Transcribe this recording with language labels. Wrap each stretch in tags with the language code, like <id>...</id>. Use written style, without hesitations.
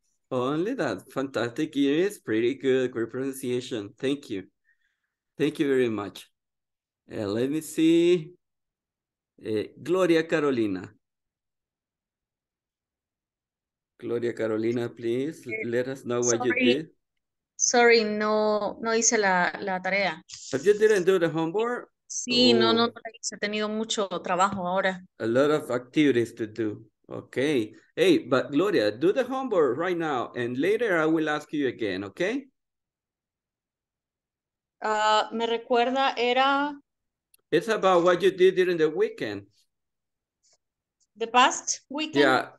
<en>Only that. Fantastic. It is pretty good. Great pronunciation. Thank you. Thank you very much. Let me see. Gloria Carolina. Gloria Carolina, please let us know what you did.</en> <es>Sorry, no hice la tarea.</es> <en>But you didn't do the homework?</en> <es>Sí, no la hice. He tenido mucho trabajo ahora.</es> <en>A lot of activities to do. Okay. Hey, but Gloria, do the homework right now, and later I will ask you again, okay?</en> <es>Me recuerda, era...</es> <en>It's about what you did during the weekend. The past weekend?</en>